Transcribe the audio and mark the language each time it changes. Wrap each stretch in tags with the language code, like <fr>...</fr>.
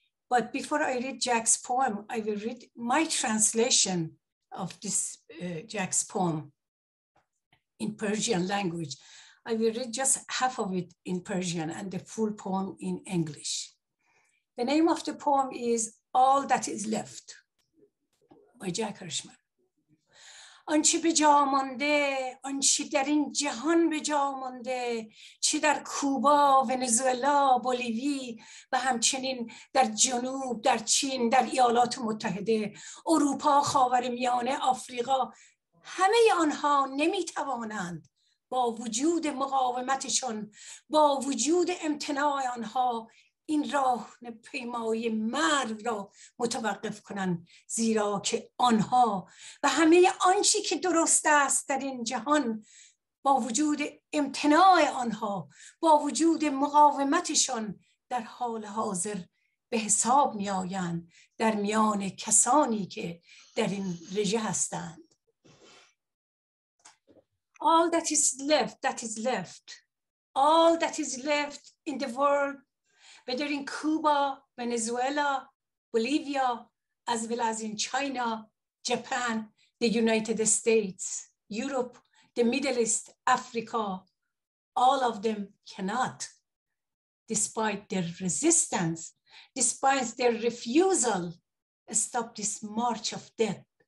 <en>But before I read Jack's poem, I will read my translation of this Jack's poem in Persian language. I will read just half of it in Persian and the full poem in English. The name of the poem is All That Is Left by Jack Hirschman.</en> <fa>آنچه به جا مانده، آنچه در این جهان به جا مانده، چه در کوبا، ونزوئلا، بولیوی و همچنین در جنوب، در چین، در ایالات متحده، اروپا، خاورمیانه، آفریقا، همه آنها نمی توانند با وجود مقاومتشان، با وجود امتناع آنها، این راه پیمایی مرگ را متوقف کنند، زیرا که آنها و همه آنچی که درست است در این جهان با وجود امتناع آنها، با وجود مقاومتشان در حال حاضر به حساب می آیند در میان کسانی که در این رژه هستند.</fa> <en>All that is left, that is left. All that is left in the world, whether in Cuba, Venezuela, Bolivia, as well as in China, Japan, the United States, Europe, the Middle East, Africa, all of them cannot, despite their resistance, despite their refusal, stop this march of death.</en>